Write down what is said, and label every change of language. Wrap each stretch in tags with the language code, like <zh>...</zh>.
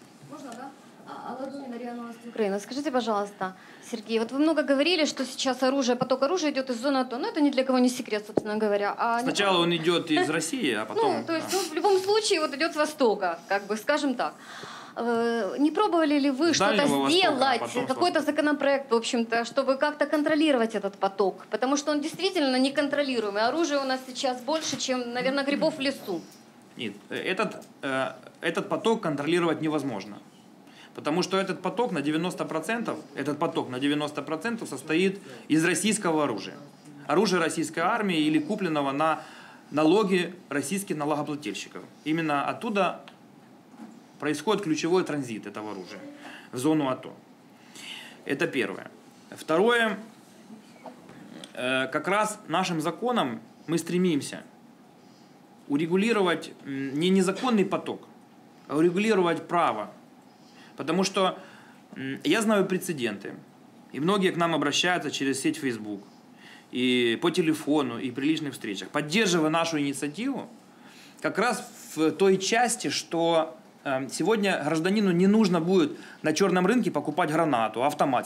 <uk>Можна, так? Да? Але до Мар'яна України. Скажіть, будь ласка, Сергій, от ви багато говорили, що зараз</uk> <ru>оружие, поток оружия</ru> <uk>йде із зони АТО. Ну, це ні для кого не секрет,</uk> <ru>собственно говоря.</ru> <uk>А спочатку він йде із Росії, а потім... в будь-якому випадку, йде з Востока,</uk> <ru>как бы,</ru> <uk>скажімо так.</uk> <ru>Не пробовали ли вы что-то сделать, какой-то законопроект, в общем-то, чтобы как-то контролировать этот поток? Потому что он действительно неконтролируемый. Оружия у нас сейчас больше, чем, наверное, грибов в лесу. Нет, этот поток контролировать невозможно. Потому что этот поток на 90%, состоит из российского оружия. Оружие российской армии или купленного на налоги российских налогоплательщиков. Именно оттуда происходит ключевой транзит этого оружия в зону АТО. Это первое. Второе. Как раз нашим законом мы стремимся урегулировать не незаконный поток, а урегулировать право. Потому что я знаю прецеденты. И многие к нам обращаются через сеть Facebook. И по телефону, и при личных встречах. Поддерживая нашу инициативу, как раз в той части, что сегодня гражданину не нужно будет на черном рынке покупать гранату, автомат.</ru>